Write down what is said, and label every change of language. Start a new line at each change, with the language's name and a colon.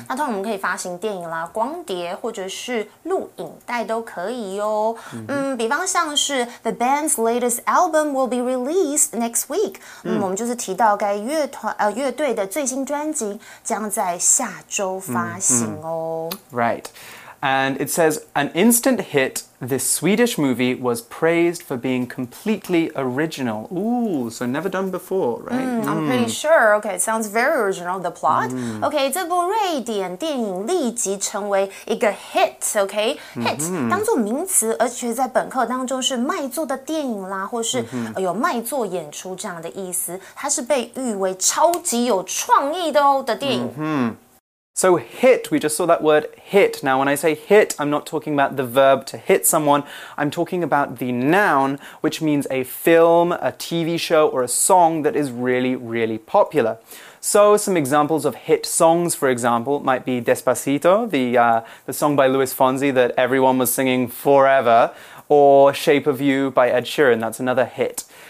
Chinese: 那通常我们可以发行电影啦、光碟或者是录影带都可以哦。比方像是
English: The band's latest album will be released next week.
Chinese: 我们就是提到该乐队的最新专辑将在下周发行哦。
English: Right. And it says, an instant hit, this Swedish movie was praised for being completely original. Ooh, so never done before, right? I'm pretty sure. Okay, it sounds very original, the plot. Okay,
Chinese: 这部瑞典电影立即成为一个
English: hit, okay?
Chinese: Hit, 当作名词，而且在本课当中是卖座的电影啦，或是有卖座演出这样的意思。它是被誉为超级有创意的哦，的电影。
English: So hit, we just saw that word hit. Now when I say hit, I'm not talking about the verb to hit someone. I'm talking about the noun, which means a film, a TV show, or a song that is really, really popular. So some examples of hit songs, for example, might be Despacito, the song by Luis Fonsi that everyone was singing forever, or Shape of You by Ed Sheeran, that's another hit.